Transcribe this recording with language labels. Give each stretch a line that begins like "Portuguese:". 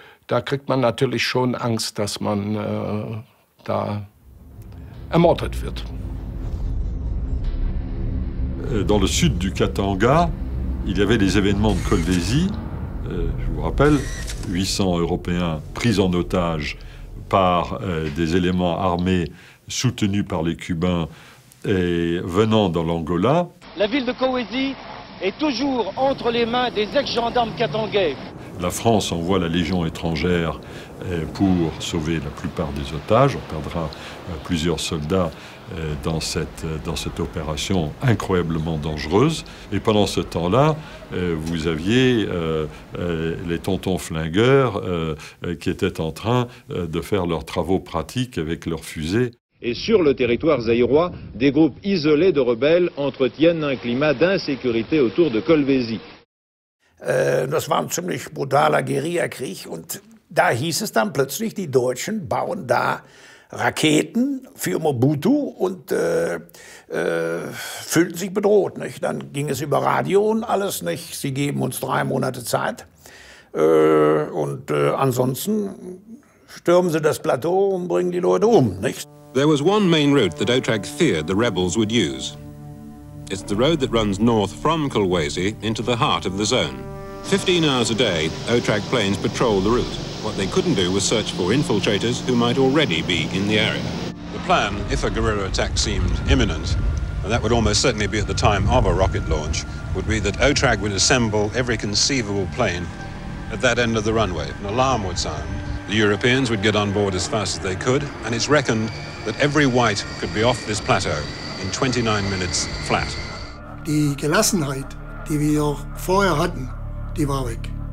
German: Da kriegt man natürlich schon Angst, dass man da ermordet wird.
French: Dans le sud du Katanga, il y avait les événements de Kolwezi. Je vous rappelle, 800 Européens pris en otage par des éléments armés soutenus par les Cubains et venant dans l'Angola. La ville de Kolwezi est toujours entre les mains des ex-gendarmes katangais. La France envoie la Légion étrangère pour sauver la plupart des otages. On perdra plusieurs soldats dans cette opération incroyablement dangereuse. Et pendant ce temps-là, vous aviez les tontons flingueurs qui étaient en train de faire leurs travaux pratiques avec leurs fusées. Et sur le territoire zaïrois, des groupes isolés de rebelles entretiennent un climat d'insécurité autour de Kolwezi.
German: Das war ein ziemlich brutaler Guerillakrieg und da hieß es dann plötzlich, die Deutschen bauen da Raketen für Mobutu und fühlten sich bedroht. Nicht? Dann ging es über Radio und alles, nicht? Sie geben uns 3 Monate Zeit und ansonsten stürmen sie das Plateau und bringen die Leute um. Nicht?
English: There was one main route that Otrag feared the rebels would use. It's the road that runs north from Kolwezi into the heart of the zone. 15 hours a day, Otrag planes patrol the route. What they couldn't do was search for infiltrators who might already be in the area. The plan, if a guerrilla attack seemed imminent, and that would almost certainly be at the time of a rocket launch, would be that Otrag would assemble every conceivable plane at that end of the runway. An alarm would sound. The Europeans would get on board as fast as they could, and it's reckoned that every white could be off this plateau in 29 minutes flat.
German: Die Gelassenheit, die wir vorher hatten, die war weg.